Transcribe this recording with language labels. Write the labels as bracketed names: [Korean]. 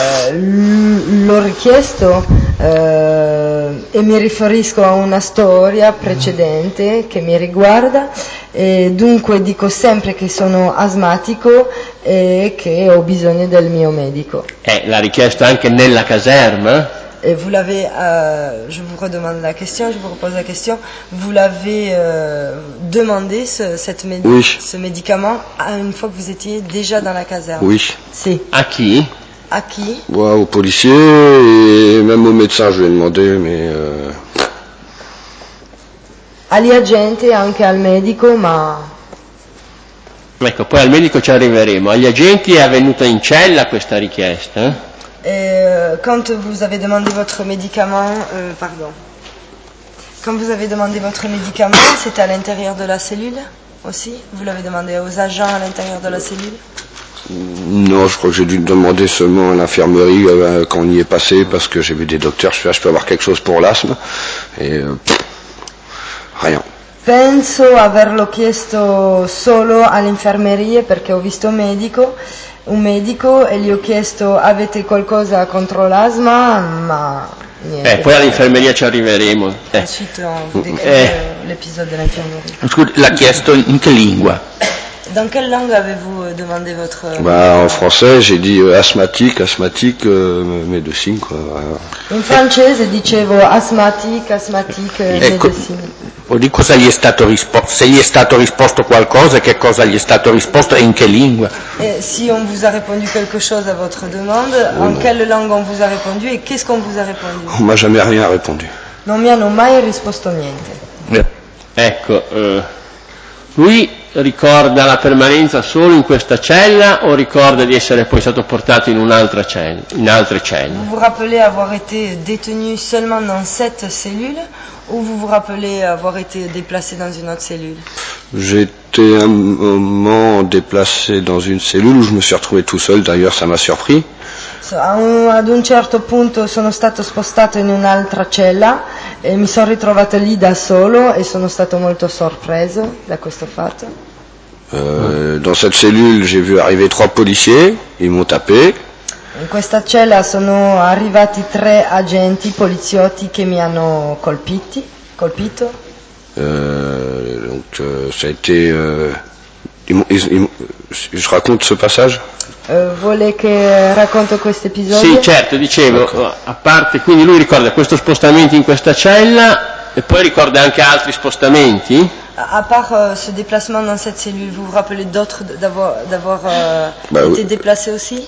[Italian] L'ho richiesto e mi riferisco a una storia precedente che mi riguarda, e dunque dico sempre che sono asmatico e che ho bisogno del mio medico. L'ha richiesto anche nella caserma? [French] Et vous l'avez, je vous redemande la question, je vous repose la question, vous l'avez demandé ce médicament une fois que vous étiez déjà dans la caserne? Oui. [Italian] Si. [French] À qui? À qui? Ouais, aux policiers et même aux médecins, je lui ai demandé, mais... [Italian] Agli agenti, anche al medico, ma... Ecco, poi al medico ci arriveremo. Agli agenti è avvenuta in cella questa richiesta? [French] Quand vous avez demandé votre médicament, quand vous avez demandé votre médicament, c'était à l'intérieur de la cellule aussi? Vous l'avez demandé aux agents à l'intérieur de la cellule? Non, je crois que j'ai dû demander seulement à l'infirmerie quand on y est passé, parce que j'ai vu des docteurs, je peux avoir quelque chose pour l'asthme, et rien. [Italian] Penso averlo chiesto solo all'infermeria perché ho visto un medico e gli ho chiesto avete qualcosa contro l'asma, ma niente. Poi all'infermeria ci arriveremo. L'episodio dell'infermeria. Scusi, l'ha chiesto in che lingua? [French] Dans quelle langue avez-vous demandé votre... Bah, en français, j'ai dit asthmatique, médecine, quoi. [Italian] In francese dicevo [French] asthmatique, médecine. [Italian] Di cosa gli è stato risposto? Se gli è stato risposto qualcosa, che cosa gli è stato risposto e in che lingua? [French] Et si on vous a répondu quelque chose à votre demande, en quelle langue on vous a répondu et qu'est-ce qu'on vous a répondu? On m'a jamais rien répondu. [Italian] Non mi hanno mai risposto niente. Ecco, lui ricorda la permanenza solo in questa cella o ricorda di essere poi stato portato in un'altra cella, in altre celle? [French] Vous vous rappelez avoir été détenu seulement dans cette cellule ou vous vous rappelez avoir été déplacé dans une autre cellule? J'étais un moment déplacé dans une cellule où je me suis retrouvé tout seul, d'ailleurs ça m'a surpris. [Italian] So, ad un certo punto sono stato spostato in un'altra cella e mi sono ritrovato lì da solo e sono stato molto sorpreso da questo fatto. [French] Dans cette cellule, j'ai vu arriver trois policiers, ils m'ont tapé. [Italian] In questa cella sono arrivati tre agenti poliziotti che mi hanno colpito. [French] Donc ça a été je raconte ce passage. [Italian] Vuole che racconto questo episodio? Sì, certo, dicevo, okay. A parte, quindi lui ricorda questo spostamento in questa cella e poi ricorda anche altri spostamenti? [French] A part ce déplacement dans cette cellule, vous vous rappelez d'autres d'avoir été déplacé aussi?